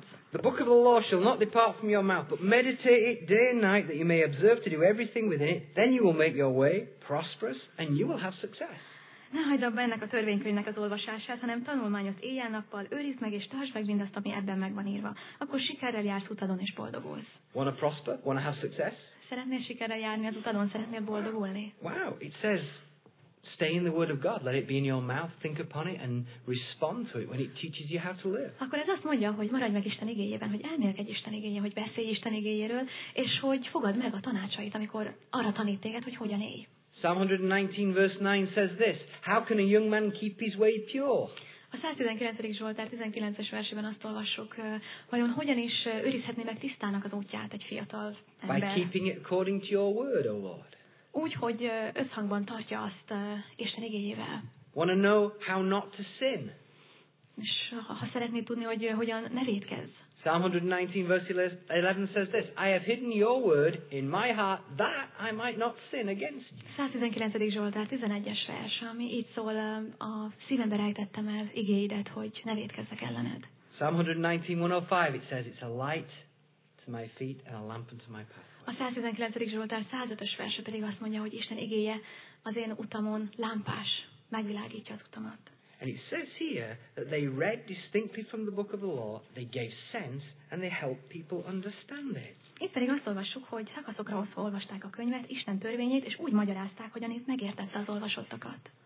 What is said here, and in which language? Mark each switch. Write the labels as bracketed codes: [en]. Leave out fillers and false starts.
[en] The book of the law shall not depart from your mouth, but meditate it day and night, that you may observe to do everything within it. Then you will make your way prosperous, and you will have success. [hu] Ne hagyd abba ennek a törvénykönyvnek az olvasását, hanem tanulmányozd éjjel-nappal, őrizd meg és tartsd meg mindazt, ami ebben meg van írva. Akkor sikerrel jársz utadon és boldogulsz. [en] Wanna prosper? Wanna have success? [hu] Szeretnél sikerrel járni az utadon? Szeretnél boldogulni? [en] Wow, it says stay in the Word of God. Let it be in your mouth. Think upon it and respond to it when it teaches you how to live. [hu] Akkor ez azt mondja, hogy maradj meg Isten igényében, hogy elmélkedj Isten igényében, hogy beszélj Isten igényéről, és hogy fogadd meg a tanácsait, amikor arra tanít téged, hogy hogyan élj. [en] Psalm 119 verse 9 says this: How can a young man keep his way pure? [hu] A 119. Zsoltár 19-es versében azt olvassuk, vajon hogyan is őrizhetné meg tisztának az útját egy fiatal ember? [en] By keeping it according to your word, O Lord. [hu] Úgy, hogy összhangban tartja azt Isten igényével. [en] Want to know how not to sin? [hu] És ha szeretné tudni, hogy hogyan ne vétkezz. [en] Psalm 119 verse 11 says this: I have hidden your word in my heart that I might not sin against you. [hu] 119. Zsoltár 11-es vers, ami így szól: a szívembe rejtettem el igéidet, hogy ne vétkezzek ellened. [en] Psalm 119:105, it says it's a light to my feet and a lamp unto my path. [hu] A 119. Zsoltár 105-ös verse pedig azt mondja, hogy Isten igéje az én utamon lámpás, megvilágítja az utamat. [en] And it says here that they read distinctly from the book of the law, they gave sense, and they helped people understand it. [hu] Itt pedig azt olvassuk, hogy szakaszokra hosszú olvasták a könyvet, Isten törvényét, és úgy magyarázták, hogy annyit megértette az olvasottakat.